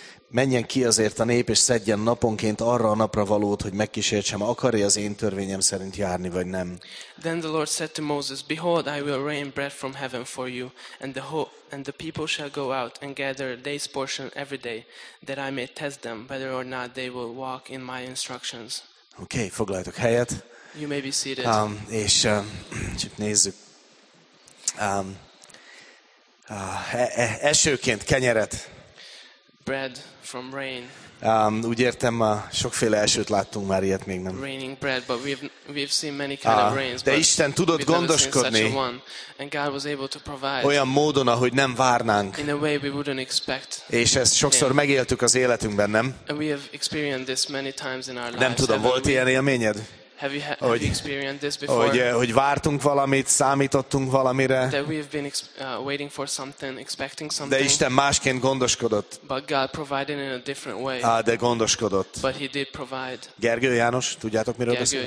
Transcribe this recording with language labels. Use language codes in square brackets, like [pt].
[hu] Menjen ki azért a nép, és szedjen naponként arra a napra valót, hogy megkísértsem, akarja az én törvényem szerint járni, vagy nem. [en] Then the Lord said to Moses, behold, I will rain bread from heaven for you, and the people shall go out and gather a day's portion every day, that I may test them, whether or not they will walk in my instructions. [hu] Okay, foglaljatok helyet. [en] You may be seated. [hu] És csak nézzük. Esőként kenyeret. [en] Bread from rain. [hu] Úgy értem, sokféle esőt láttunk már, ilyet még nem. [en] Raining bread, but we've seen many kind of rains. [hu] De Isten tudott gondoskodni. [en] And God was able to provide. [hu] Olyan módon, ahogy nem várnánk. [en] In a way we wouldn't expect. [hu] És ezt sokszor megéltük az életünkben, nem? [en] And we have experienced this many times in our lives. [hu] Nem tudom, volt ilyen élményed? [en] Have you experienced this before? [hu] Hogy vártunk valamit, számítottunk valamire. [en] That we have been waiting for something, expecting something. [hu] De Isten másként gondoskodott. [en] But God provided in a different way. [hu] De gondoskodott. [en] But he did provide. [hu] Gergő János, tudjátok, miről beszélek?